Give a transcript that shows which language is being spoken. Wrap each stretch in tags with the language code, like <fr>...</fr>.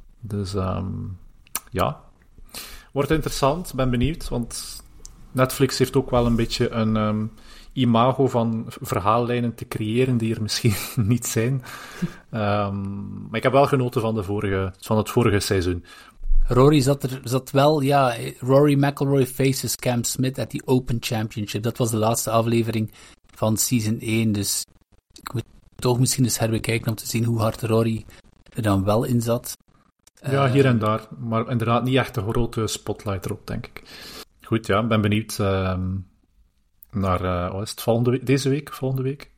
<nl>Dus wordt interessant, ben benieuwd, want Netflix heeft ook wel een beetje een imago van verhaallijnen te creëren die er misschien niet zijn. Maar ik heb wel genoten van het vorige seizoen. Rory zat wel, ja,</nl> <en>Rory McIlroy faces Cam Smith at the Open Championship.</en> <nl>Dat was de laatste aflevering van season 1, dus ik moet toch misschien eens herbekijken om te zien hoe hard Rory er dan wel in zat. Ja, hier en daar, maar inderdaad niet echt de grote spotlight erop, denk ik. Goed, ja, ben benieuwd naar wat is het, volgende week, deze week, volgende week?</nl>